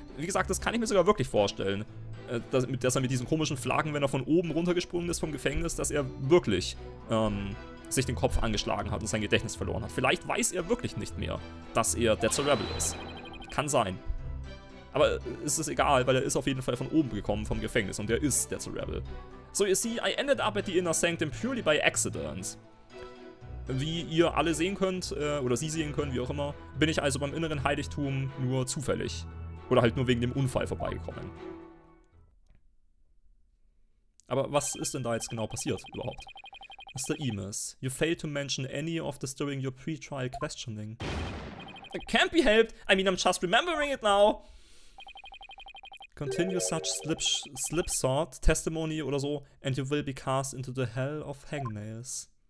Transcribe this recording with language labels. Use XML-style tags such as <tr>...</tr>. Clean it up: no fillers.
<de>Wie gesagt, das kann ich mir sogar wirklich vorstellen, dass er mit diesen komischen Flaggen, wenn er von oben runtergesprungen ist vom Gefängnis, dass er wirklich sich den Kopf angeschlagen hat und sein Gedächtnis verloren hat. Vielleicht weiß er wirklich nicht mehr, dass er Death to Rebel ist. Kann sein. Aber ist es egal, weil er ist auf jeden Fall von oben gekommen vom Gefängnis und er ist Death to Rebel.</de> <en>So you see, I ended up at the Inner Sanctum purely by accident.</en> <de>Wie ihr alle sehen könnt, oder sie sehen können, wie auch immer, bin ich also beim inneren Heiligtum nur zufällig. Oder halt nur wegen dem Unfall vorbeigekommen. Aber was ist denn da jetzt genau passiert, überhaupt?</de> <en>Mr. Emus, you failed to mention any of this during your pre-trial questioning. It can't be helped. I mean, I'm just remembering it now. Continue such slipshod testimony</en> <de>oder so,</de> <en>and you will be cast into the hell of hangnails.</en>